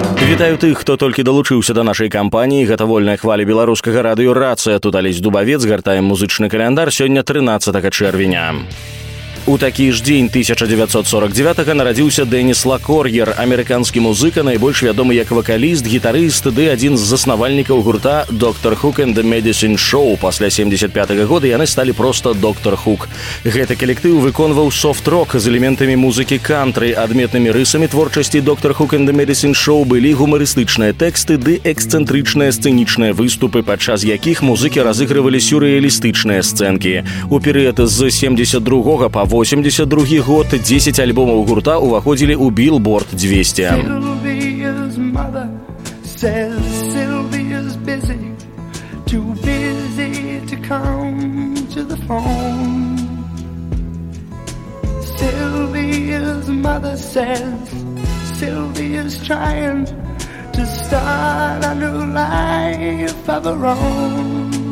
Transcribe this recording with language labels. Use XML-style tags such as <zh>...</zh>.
<uk>Вітаю тих, хто тільки долучився до нашої кампанії.</uk> <be>Гэта вольная хваля Беларускага радыё «Рацыя». Тут Алесь Дубавец, гартаем музычны календар. Сёння 13 червеня. У такі ж дзень 1949-го нарадзіўся Дэніс Лакор'ер, амерыканскі музыка, найбольш вядомы як вакаліст, гітарыст, ды адзін з заснавальнікаў гурта «Dr. Hook and the Medicine Show». Пасля 75-го года яны сталі проста «Dr. Hook». Гэты калектыў выконваў софт-рок з элементамі музыкі кантры. Адметнымі рысамі творчасці «Dr. Hook and the Medicine Show» былі гумарыстычныя тэксты ды эксцэнтрычныя сцэнічныя выступы, падчас якіх музыкі разыгрывалі сюррэалістычныя сцэнкі. У перыяд з 72-го па 82-й год 10 альбомов гурта уваходили у Billboard 200.</be> <en>Sylvia's mother says Sylvia's busy, too busy to come to the phone. Sylvia's mother says Sylvia's trying to start a new life of her own.</en>